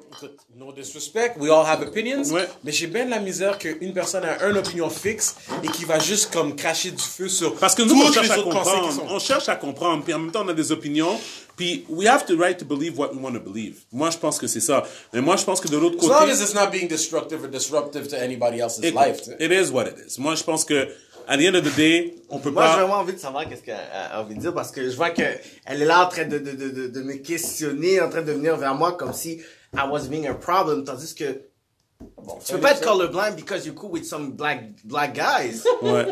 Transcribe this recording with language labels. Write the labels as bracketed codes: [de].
[fr] Écoute, [en] no disrespect, we all have opinions, [fr] mais j'ai bien de la misère qu'une personne a une opinion fixe et qui va juste comme cracher du feu sur... Parce que nous, on cherche à comprendre, on cherche à comprendre, puis en même temps, on a des opinions, puis [en] we have the right to believe [fr] what we want to believe. Moi, je pense que c'est ça. Mais moi, je pense que de l'autre côté... [en] As long as it's not being destructive or disruptive to anybody else's life. It is what it is. [fr] Moi, je pense que... À [en] the end of the day, [fr] on peut pas... Moi, j'ai vraiment envie de savoir qu'est-ce qu'elle a envie de dire, parce que je vois qu'elle est là en train de me questionner, en train de venir vers moi comme si [en] I was being a problem, [fr] tandis que... Bon, tu peux pas être [en] colorblind because you're cool with some black guys. [fr] Ouais.